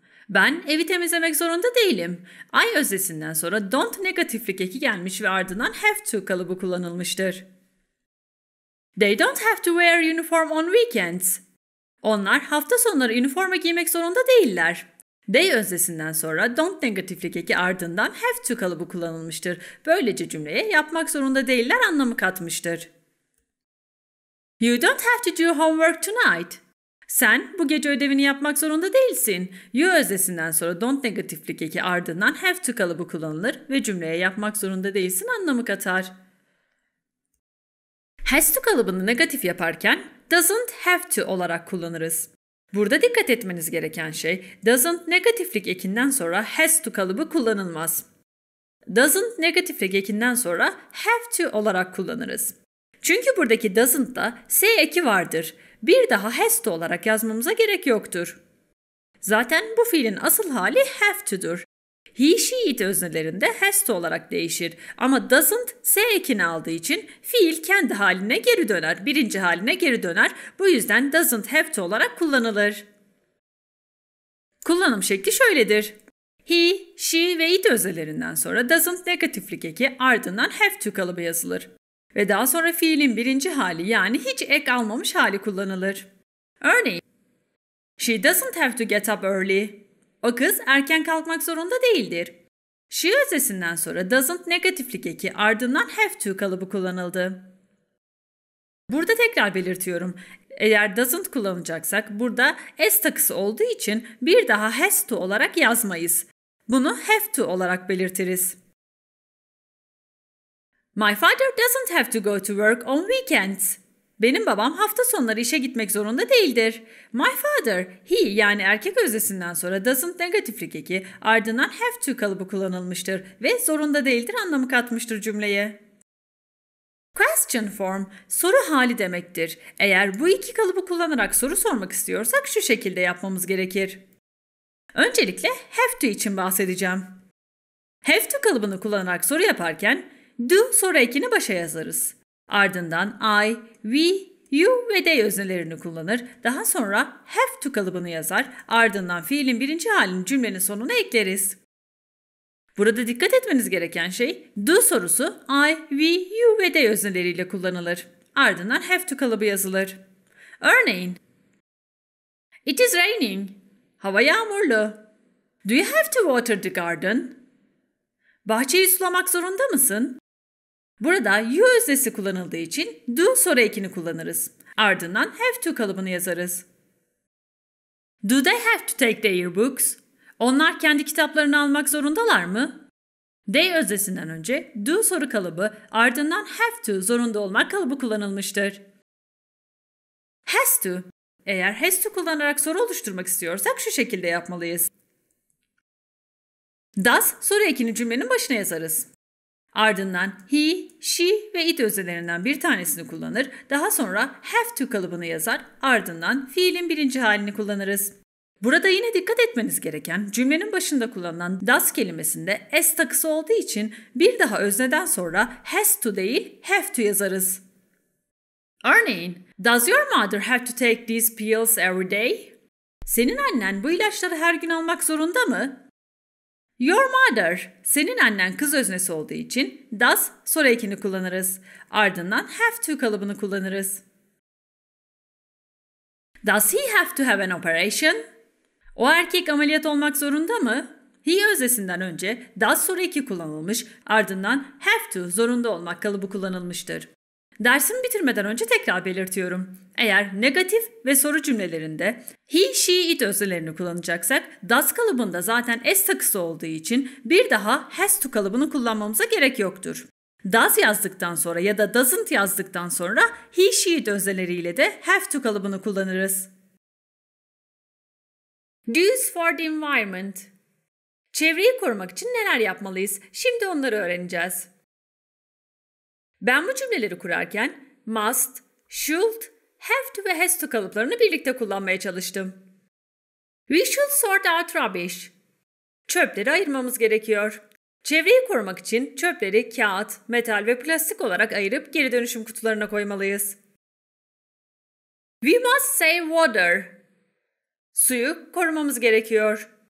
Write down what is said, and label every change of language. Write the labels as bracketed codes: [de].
[tr] Ben evi temizlemek zorunda değilim. I öznesinden sonra don't negatiflik eki gelmiş ve ardından have to kalıbı kullanılmıştır. [en] They don't have to wear uniform on weekends. [tr] Onlar hafta sonları üniforma giymek zorunda değiller. They öznesinden sonra don't negatiflik eki ardından have to kalıbı kullanılmıştır. Böylece cümleye yapmak zorunda değiller anlamı katmıştır. [en] You don't have to do homework tonight. [tr] Sen bu gece ödevini yapmak zorunda değilsin. You öznesinden sonra don't negatiflik eki ardından have to kalıbı kullanılır ve cümleye yapmak zorunda değilsin anlamı katar. Has to kalıbını negatif yaparken doesn't have to olarak kullanırız. Burada dikkat etmeniz gereken şey doesn't negatiflik ekinden sonra has to kalıbı kullanılmaz. Doesn't negatiflik ekinden sonra have to olarak kullanırız. Çünkü buradaki doesn't'ta s eki vardır. Bir daha has to olarak yazmamıza gerek yoktur. Zaten bu fiilin asıl hali have to'dur. He, she, it öznelerinde has to olarak değişir. Ama doesn't s ekini aldığı için fiil kendi haline geri döner. Birinci haline geri döner. Bu yüzden doesn't have to olarak kullanılır. Kullanım şekli şöyledir. He, she ve it öznelerinden sonra doesn't negatiflik eki ardından have to kalıbı yazılır. Ve daha sonra fiilin birinci hali yani hiç ek almamış hali kullanılır. [en] Örneğin, she doesn't have to get up early. [tr] O kız erken kalkmak zorunda değildir. She öznesinden sonra doesn't negatiflik eki ardından have to kalıbı kullanıldı. Burada tekrar belirtiyorum. Eğer doesn't kullanacaksak burada s takısı olduğu için bir daha has to olarak yazmayız. Bunu have to olarak belirtiriz. [en] My father doesn't have to go to work on weekends. [tr] Benim babam hafta sonları işe gitmek zorunda değildir. My father, he yani erkek öznesinden sonra doesn't negatiflik eki ardından have to kalıbı kullanılmıştır ve zorunda değildir anlamı katmıştır cümleye. Question form, soru hali demektir. Eğer bu iki kalıbı kullanarak soru sormak istiyorsak şu şekilde yapmamız gerekir. Öncelikle have to için bahsedeceğim. Have to kalıbını kullanarak soru yaparken do soru ekini başa yazarız. Ardından I, we, you ve they öznelerini kullanır. Daha sonra have to kalıbını yazar. Ardından fiilin birinci halini cümlenin sonuna ekleriz. Burada dikkat etmeniz gereken şey do sorusu I, we, you ve they özneleriyle kullanılır. Ardından have to kalıbı yazılır. Örneğin, [en] it is raining. [tr] Hava yağmurlu. [en] Do you have to water the garden? [tr] Bahçeyi sulamak zorunda mısın? Burada you öznesi kullanıldığı için do soru ekini kullanırız. Ardından have to kalıbını yazarız. [en] Do they have to take their books? [tr] Onlar kendi kitaplarını almak zorundalar mı? They öznesinden önce do soru kalıbı, ardından have to zorunda olmak kalıbı kullanılmıştır. Has to. Eğer has to kullanarak soru oluşturmak istiyorsak şu şekilde yapmalıyız. Does soru ekini cümlenin başına yazarız. Ardından he, she ve it öznelerinden bir tanesini kullanır. Daha sonra have to kalıbını yazar. Ardından fiilin birinci halini kullanırız. Burada yine dikkat etmeniz gereken cümlenin başında kullanılan does kelimesinde s takısı olduğu için bir daha özneden sonra has to değil have to yazarız. [en] Örneğin, does your mother have to take these pills every day? [tr] Senin annen bu ilaçları her gün almak zorunda mı? Your mother, senin annen kız öznesi olduğu için does soru ekini kullanırız. Ardından have to kalıbını kullanırız. [en] Does he have to have an operation? [tr] O erkek ameliyat olmak zorunda mı? He öznesinden önce does soru eki kullanılmış, ardından have to zorunda olmak kalıbı kullanılmıştır. Dersimi bitirmeden önce tekrar belirtiyorum. Eğer negatif ve soru cümlelerinde he, she, it öznelerini kullanacaksak does kalıbında zaten s takısı olduğu için bir daha has to kalıbını kullanmamıza gerek yoktur. Does yazdıktan sonra ya da doesn't yazdıktan sonra he, she, it özneleriyle de have to kalıbını kullanırız. [en] Do's for the environment. [tr] Çevreyi korumak için neler yapmalıyız? Şimdi onları öğreneceğiz. Ben bu cümleleri kurarken must, should, have to ve has to kalıplarını birlikte kullanmaya çalıştım. [en] We should sort out rubbish. [tr] Çöpleri ayırmamız gerekiyor. Çevreyi korumak için çöpleri kağıt, metal ve plastik olarak ayırıp geri dönüşüm kutularına koymalıyız. [en] We must save water. [tr] Suyu korumamız gerekiyor.